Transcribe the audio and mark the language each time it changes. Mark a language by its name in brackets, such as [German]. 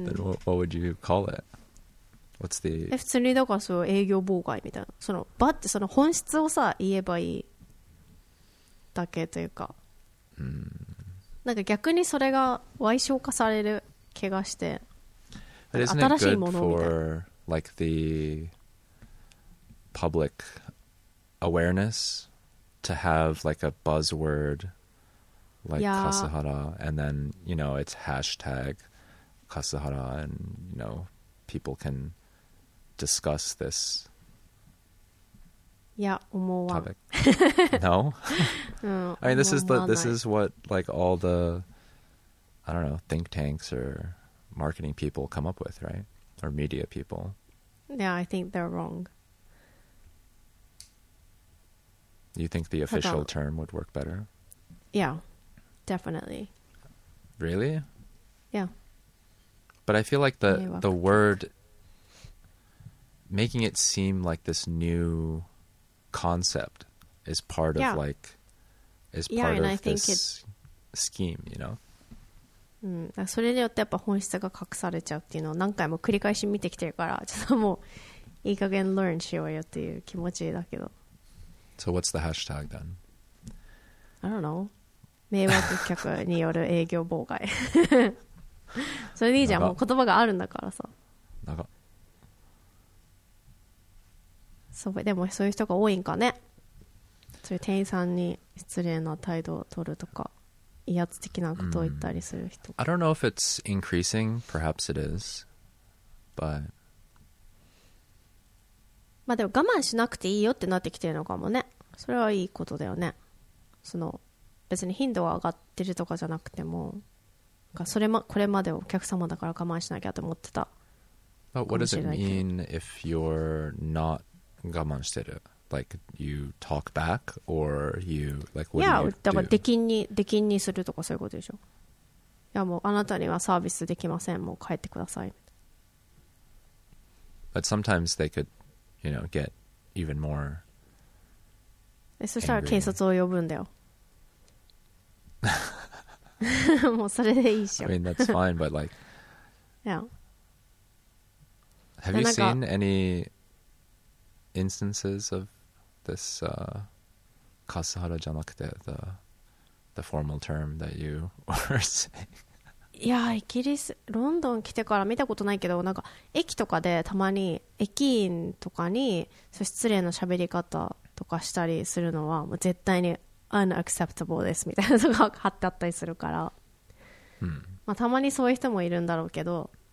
[English] Then what would you call it? What's the? [Japanese] 普通にだからそう営業妨害みたいな。そのバってその本質をさ言えばいいだけというか。なんか逆にそれが歪小化される気がして新しいものみたいな。 [English] Isn't it good for like the public awareness to have like a buzzword like Kasuhara and then you know it's hashtag Kasuhara and you know people can discuss this [Japanese] いや思うわ。 [English] No? 、うん、 I mean, this is what like all the, I don't know, think tanks or marketing people come up with, right? Or media people. Yeah, I think they're wrong. You think the official term would work better? Yeah, definitely. Really? Yeah. But I feel like the word, making it seem like this new concept is part of scheme, you know? [Japanese] うん、それによってやっぱ本質が隠されちゃうっていうのを何回も繰り返し見てきてるから、ちょっともういい加減 learn しようよっていう気持ちだけど。 [English] So what's the hashtag then? I don't know. [Japanese] 迷惑客による営業妨害。それでいいじゃん。もう言葉があるんだからさ。なんか。そう、でもそういう人が多いんかね。そういう店員さんに失礼な態度を取るとか。 [English] I don't know if it's increasing. Perhaps it is, but. [Japanese] まあでも我慢しなくていいよってなってきてるのかもね。それはいいことだよね。その別に頻度が上がってるとかじゃなくても、それまこれまでお客様だから我慢しなきゃと思ってた。 [English] But what does it mean if you're not [Japanese] 我慢してる？ [English] Like you talk back, or you like what yeah, do you do? [Japanese] だから出禁にするとかそういうことでしょ。いやもうあなたにはサービスできません。もう帰ってください。 [English] But sometimes they could, you know, get even more. [Japanese] そしたら警察を呼ぶんだよ。もうそれでいいっしょ。 [English] I mean that's fine, but like, yeah. Have you seen any instances of? This Kasuhara [Japanese] じゃなくて [English] the formal term that you were saying. [Japanese] いやイギリスロンドン来てから見たことないけど、なんか駅とかでたまに駅員とかに失礼の喋り方とかしたりするのはもう絶対に unacceptable ですみたいなのが貼ってあったりするから、まあ、たまにそういう人もいるんだろうけど、